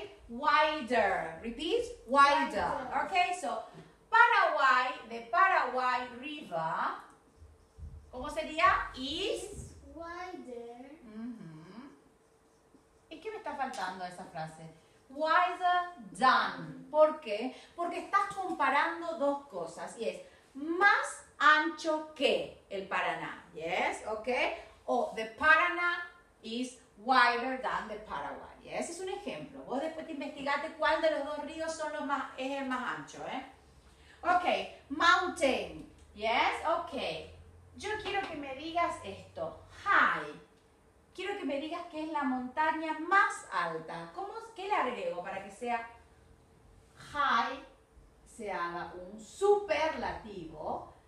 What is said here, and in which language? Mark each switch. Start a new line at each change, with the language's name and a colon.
English: Wider. Repeat. Wider. Ok, so Paraguay, the Paraguay River.
Spanish: ¿Cómo sería?
English: Is wider.
Spanish: ¿Y qué me está faltando a esa frase?
English: Wider than.
Spanish: ¿Por qué? Porque estás comparando dos cosas. Y es más ancho que el Paraná.
English: Yes, ok. O the Paraná is wider than the Paraguay.
Spanish: Yes, es un ejemplo. Vos después te investigate cuál de los dos ríos son los más, es el más ancho, ¿eh? Ok, mountain. Yes, ok. Yo quiero que me digas esto. High. Quiero que me digas qué es la montaña más alta. ¿Cómo, qué le agrego para que sea high, se haga un superlativo?